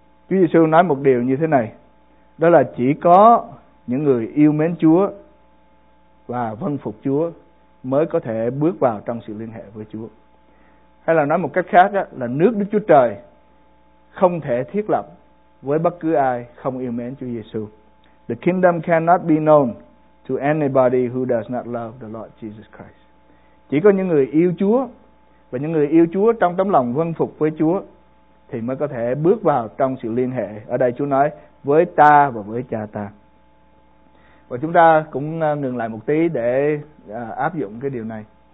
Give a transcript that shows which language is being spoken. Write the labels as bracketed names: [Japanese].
[Vietnamese] Chúa Giêsu nói một điều như thế này, đó là chỉ có những người yêu mến Chúa và vâng phục Chúa mới có thể bước vào trong sự liên hệ với Chúa. Hay là nói một cách khác đó, là nước Đức Chúa Trời không thể thiết lập với bất cứ ai không yêu mến Chúa Giêsu. [English] The kingdom cannot be known to anybody who does not love the Lord Jesus Christ. [Vietnamese] Chỉ có những người yêu Chúa và những người yêu Chúa trong tấm lòng vâng phục với Chúa thì mới có thể bước vào trong sự liên hệ. Ở đây Chúa nói với ta và với cha ta. Và chúng ta cũng ngừng lại một tí để áp dụng cái điều này.